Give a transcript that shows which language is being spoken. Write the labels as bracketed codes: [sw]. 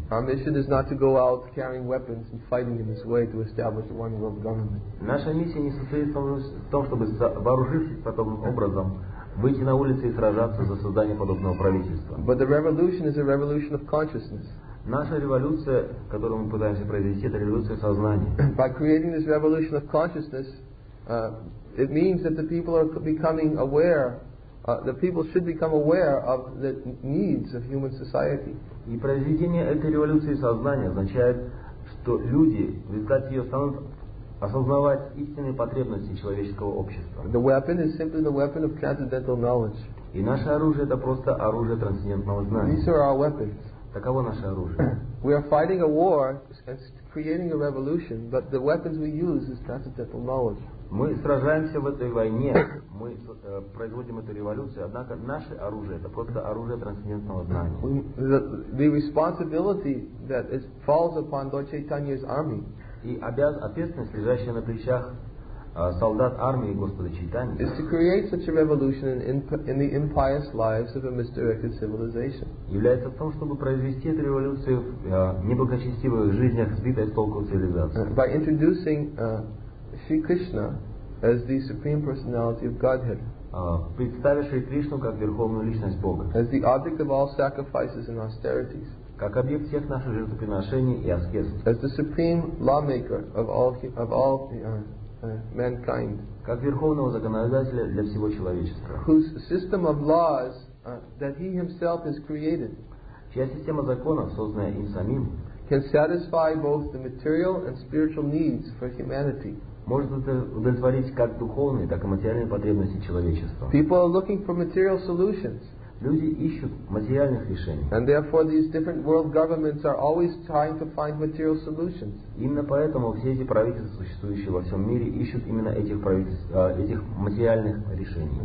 [en] Our mission is not to go out carrying weapons and fighting in this way to establish one world government. [ru] Наша миссия не состоит в том, чтобы вооружившись подобным образом, выйти на улицы и сражаться за создание подобного правительства. [en] But the revolution is a revolution of consciousness. [ru] Наша революция, которую мы пытаемся произвести, это революция сознания. [en] By creating this revolution of consciousness, it means that the people are becoming aware. The people should become aware of the needs of human society. [ru] И произведение этой революции сознания означает, что люди в результате ее станут осознавать истинные потребности человеческого общества. [en] The weapon is simply the weapon of transcendental knowledge. [ru] И наше оружие это просто оружие трансцендентного знания. [en] These are our weapons. [ru] Таково наше оружие. [en] We are fighting a war and creating a revolution, but the weapons we use is transcendental knowledge. [ru] Мы сражаемся в этой войне, мы производим эту революцию, однако наше оружие это просто оружие трансцендентного знания. [en] The responsibility that is falls upon Lord Chaitanya's army. [ru] И ответственность, лежащая на плечах солдат армии Господа Чайтаньи, [en] is to create such a revolution in the impious lives of a misdirected civilization. [ru] Является в том, чтобы произвести эту революцию в неблагочестивых жизнях сбитой с толку цивилизации. [en] By introducing Shri Krishna as the supreme personality of Godhead. [ru] Представив Шри Кришну как верховную личность Бога. [en] As the object of all sacrifices and austerities. [ru] Как объект всех наших жертвоприношений и аскез. [en] As the supreme lawmaker of all mankind. [ru] Как верховного законодателя для всего человечества. [en] Whose system of laws that he himself has created. [ru] Чья система законов, созданная им самим, [en] can satisfy both the material and spiritual needs for humanity. [ru] Может удовлетворить как духовные, так и материальные потребности человечества. [en] People are looking for material solutions. [ru] Люди ищут материальных решений. [en] And therefore these different world governments are always trying to find material solutions. [ru] Именно поэтому все эти правительства, существующие во всем мире, ищут именно этих материальных решений.